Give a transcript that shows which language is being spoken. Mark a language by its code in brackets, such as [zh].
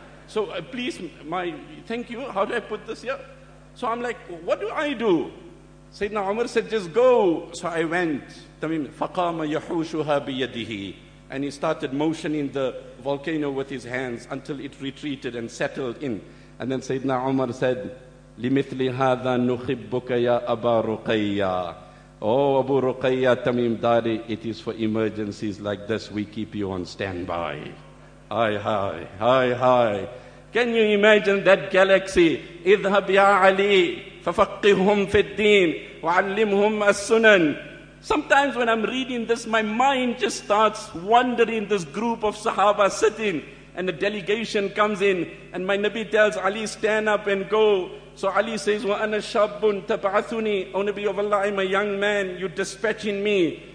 [en] So please, thank you, how do I put this here? So I'm like, what do I do? Sayyidina Umar said, just go. So I went. Tamim, [ar] فَقَامَ يَحُوشُهَا بِيَدِهِ. [en] And he started motioning the volcano with his hands until it retreated and settled in. And then Sayyidina Umar said, [ar] لِمِثْلِ هَذَا نُخِبُّكَ يَا أَبَا رُقَيَّا. [en] Oh, Abu Ruqayya Tamim Dari, it is for emergencies like this we keep you on standby. Hi, hi, hi, hi. Can you imagine that galaxy? [ar] اذهب يا علي ففقههم في الدين وعلمهم السنن. [en] Sometimes when I'm reading this, my mind just starts wandering. This group of Sahaba sitting and a delegation comes in and my Nabi tells Ali, stand up and go. So Ali says, [ar] "Wa ana shabun tab'athuni, [en] O Nabi of Allah, I'm a young man, you dispatching me.